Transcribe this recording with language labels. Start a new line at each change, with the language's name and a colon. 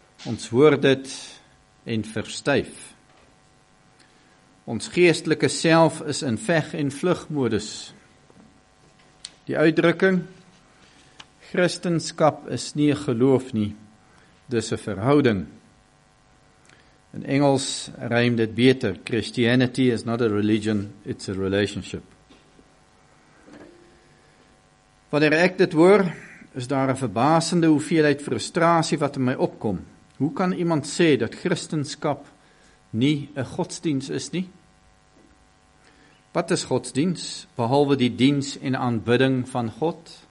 Afrikaans: Ons hoor dit en verstijf. Ons geestelike self is in veg- en vlugmodus. Die uitdrukking, Christenskap is nie een geloof nie, dis een verhouding. In Engels rym dit beter,
English: Christianity is not a religion, it's a relationship.
Afrikaans: Wanneer ek dit hoor, is daar een verbasende hoeveelheid frustratie wat in my opkom. Hoe kan iemand sê dat Christenskap nie een godsdienst is nie? Wat is godsdienst, behalwe die dienst en aanbidding van God?